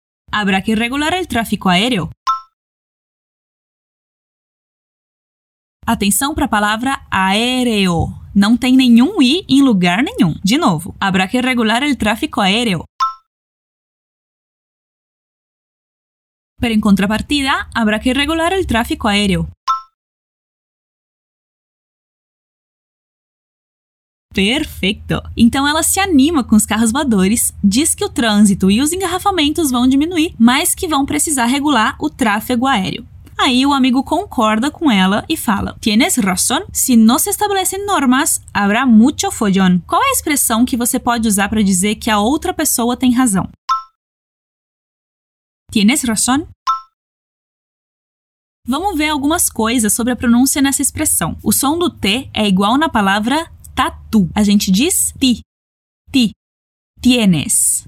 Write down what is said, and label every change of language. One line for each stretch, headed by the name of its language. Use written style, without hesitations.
Spanish: Habrá que regular el tráfico aéreo.
Portuguese: Atenção para a palavra aéreo. Não tem nenhum i em lugar nenhum. De novo,
Spanish: habrá que regular el tráfico aéreo. Pero en contrapartida, habrá que regular el tráfico aéreo.
Portuguese: Perfeito! Então, ela se anima com os carros voadores, diz que o trânsito e os engarrafamentos vão diminuir, mas que vão precisar regular o tráfego aéreo. Aí, o amigo concorda com ela e fala,
Spanish: Tienes razón? Si no se establecen normas, habrá mucho follón.
Portuguese: Qual é a expressão que você pode usar para dizer que a outra pessoa tem razão?
Spanish: Tienes razón?
Portuguese: Vamos ver algumas coisas sobre a pronúncia nessa expressão. O som do T é igual na palavra... Tatu. A gente diz ti. Ti. Tienes.